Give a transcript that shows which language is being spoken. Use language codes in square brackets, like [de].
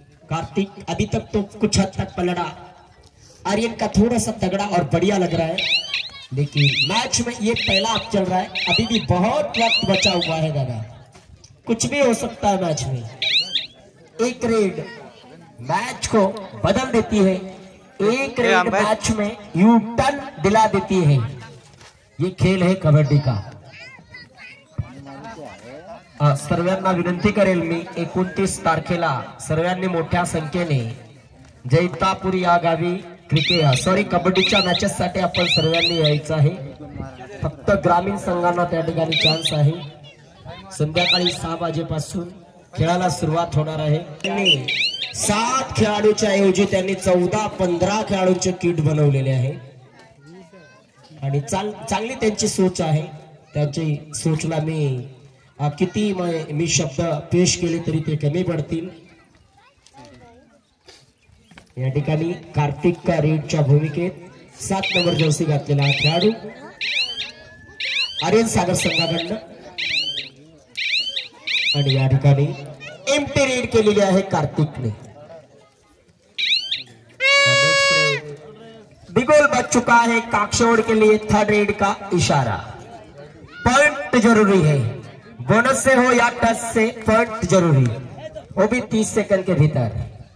[hi] कार्तिक अभी तक तो कुछ हद तक पलड़ा, आर्यन का थोड़ा सा तगड़ा और बढ़िया लग रहा है लेकिन मैच में ये पहला अप चल रहा है, अभी भी बहुत वक्त बचा हुआ है दादा, कुछ भी हो सकता है मैच में, एक रेड मैच को बदल देती है, एक रेड मैच में यू टर्न दिला देती है, ये खेल है कबड्डी का। [mr] सर्वांना विनंती करेल मी 29 तारखेला सर्वांनी मोठ्या संख्येने जैतापूर या गावी क्रिकेट सॉरी कबड्डीच्या मॅचेस साठी आपण सर्वांनी यायचं आहे। फक्त ग्रामीण संघांना त्या ठिकाणी चान्स आहे। संध्याकाळी 6 वाजेपासून खेळाला सुरुवात होणार आहे। 7 खेळाडूंच्या ऐवजी त्यांनी 14-15 खेळाडूंचे किट बनवलेले आहे आणि चांगली त्यांची सोच आहे। त्यांची सोचला मी किती मी शब्द पेश केले तरी ते कमी पडतील। या ठिकाणी कार्तिक कारेच्या भूमिकेत 7 नंबर जर्सी घातलेला खेळाडू आर्यन सागर संघाकडून आणि या ठिकाणी एम्प्टी रीड केलेली आहे कार्तिकने। [hi] डिगोल बच चुका है काक्षोड़ के लिए थर्ड रेड का इशारा। पॉइंट जरूरी है, बोनस से हो या टच से पॉइंट जरूरी, वो भी 30 सेकंड के भीतर।